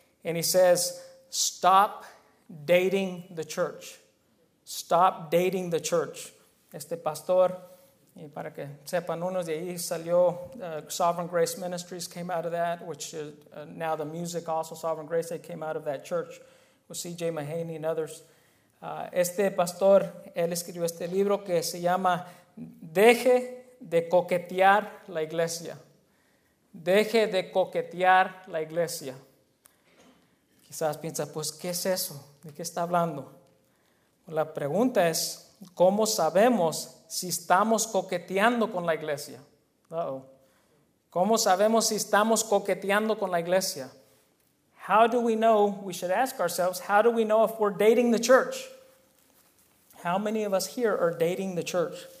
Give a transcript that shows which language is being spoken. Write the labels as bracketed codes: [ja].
[en] And he says, stop dating the church. Stop dating the church. [es] Este pastor, y para que sepan, uno de ahí salió, [en] Sovereign Grace Ministries came out of that, which is now the music also, Sovereign Grace, they came out of that church with C.J. Mahaney and others. [es] Este pastor, él escribió este libro que se llama Deje de coquetear la iglesia. Deje de coquetear la iglesia. Quizás piensa, pues, ¿qué es eso? ¿De qué está hablando? La pregunta es, ¿cómo sabemos si estamos coqueteando con la iglesia? Uh-oh. ¿Cómo sabemos si estamos coqueteando con la iglesia? [en] How do we know, we should ask ourselves, how do we know if we're dating the church? How many of us here are dating the church?